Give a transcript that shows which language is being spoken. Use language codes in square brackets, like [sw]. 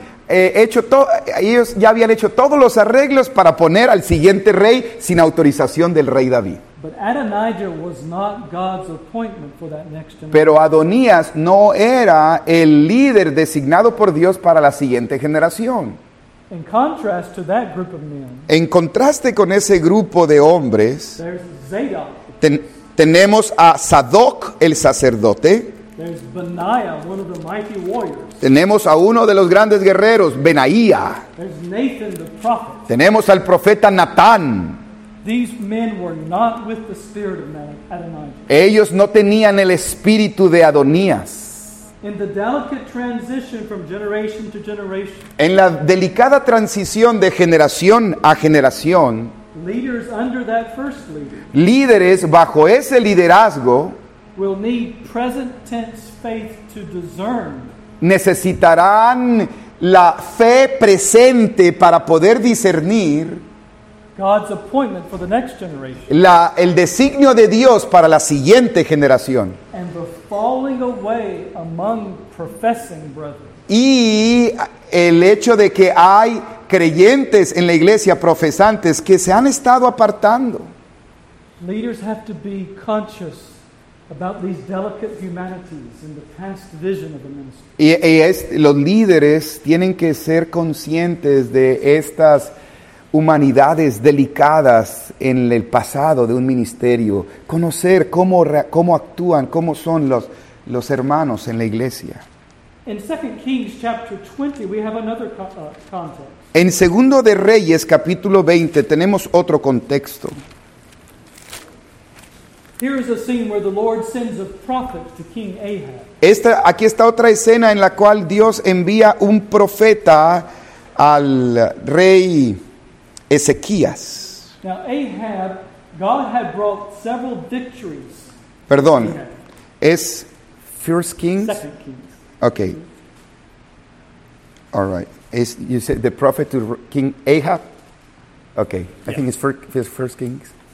[es] Ellos ya habían hecho todos los arreglos para poner al siguiente rey sin autorización del rey David. [en] But Adonijah was not God's appointment for that next generation. [es] Pero Adonías no era el líder designado por Dios para la siguiente generación. [en] In contrast to that group of men, [es] en contraste con ese grupo de hombres, [en] there's Zadok, [es] tenemos a Zadok, el sacerdote. [en] There's Benaiah, one of the mighty warriors. [es] Tenemos a uno de los grandes guerreros, Benaiah. [en] There's Nathan, the prophet. [es] Tenemos al profeta Natán. [en] These men were not with the spirit of Adonijah. [es] Ellos no tenían el espíritu de Adonías. [en] In the delicate transition from generation to generation. [es] En la delicada transición de generación a generación. [en] Leaders under that first leader. [es] Líderes bajo ese liderazgo. [en] Will need present tense faith to discern. [es] Necesitarán la fe presente para poder discernir. [en] God's appointment for the next generation. [es] El designio de Dios para la siguiente generación. [en] And the falling away among professing brethren. [es] Y el hecho de que hay creyentes en la iglesia, profesantes, que se han estado apartando. [en] Leaders have to be conscious about these delicate humanities and the past vision of the ministry. [es] Los líderes tienen que ser conscientes de estas humanidades delicadas en el pasado de un ministerio, conocer cómo actúan, cómo son los hermanos en la iglesia. [en] In 2 Kings chapter 20 we have another context. [es] En Segundo de Reyes capítulo 20 tenemos otro contexto. [en] Here is a scene where the Lord sends a prophet to King Ahab. [es] Aquí está otra escena en la cual Dios envía un profeta al rey Ezequías. [en] Now Ahab, God had brought several victories. [es] Perdón. Es First Kings. [en] Second Kings. Okay. All right. You said the prophet to King Ahab? Okay. Yeah. I think it's First Kings.